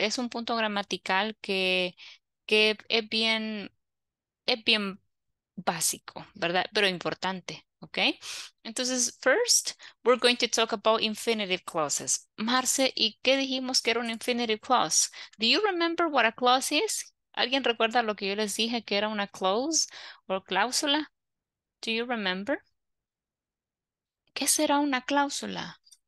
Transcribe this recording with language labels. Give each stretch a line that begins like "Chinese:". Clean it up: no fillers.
Spanish: Es un punto gramatical que es bien básico, ¿verdad? Pero importante.
English: Okay, entonces, first, we're going to talk about infinitive clauses. Marce,
Spanish: ¿y qué dijimos que era un
English: infinitive clause? Do you remember what a clause is?
Spanish: ¿Alguien recuerda lo que yo les dije que era una clause o cláusula?
English: Do you remember?
Spanish: ¿Qué será una cláusula?